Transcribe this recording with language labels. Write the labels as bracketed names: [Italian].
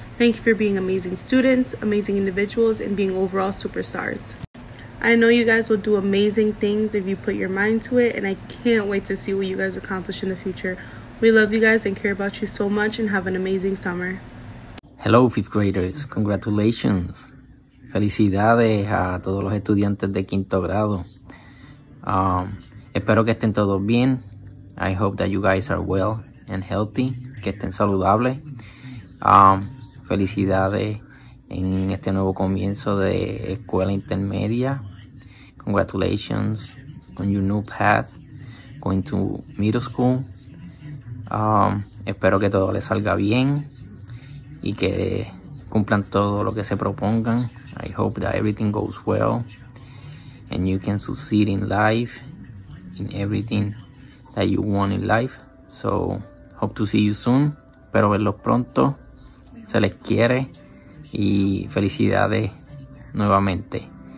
[English] Thank you for being amazing students, amazing individuals, and being overall superstars. I know you guys will do amazing things if you put your mind to it, and I can't wait to see what you guys accomplish in the future. We love you guys and care about you so much, and have an amazing summer. Hello, fifth graders. Congratulations. [Spanish] Felicidades a todos los estudiantes de quinto grado. Espero que estén todos bien. [English] I hope that you guys are well and healthy. [Spanish] Que estén saludables. Felicidades en este nuevo comienzo de escuela intermedia. [English] Congratulations on your new path going to middle school. [Spanish] Espero que todo les salga bien y que cumplan todo lo que se propongan. [English] I hope that everything goes well and you can succeed in life, in everything that you want in life. So, hope to see you soon. [Spanish] Espero verlos pronto. Se les quiere y felicidades nuevamente.